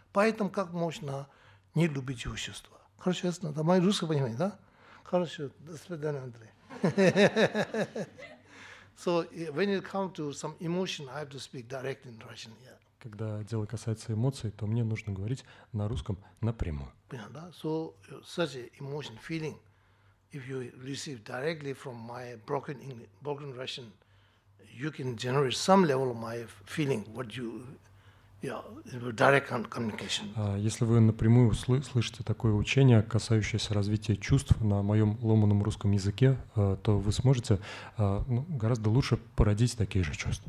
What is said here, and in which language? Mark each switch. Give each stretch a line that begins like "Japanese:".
Russian: Поэтому как можно не любить чувства? Хорошо, ясно? Да, мои русские понимают, да? Хорошо, до свидания, Андрей.
English: So, when it comes to some emotion, I have to speak directly in Russian. Yeah.
Russian: Когда дело касается эмоций, то мне нужно говорить на русском напрямую. Понятно, да?
English: So, such an emotion, feeling, if you receive directly from my broken English, broken Russian, you can generate some level of my feeling, what you, yeah, direct communication.
Russian: Если вы напрямую слышите такое учение, касающееся развития чувств на моем ломаном русском языке, то вы сможете гораздо лучше породить такие же чувства.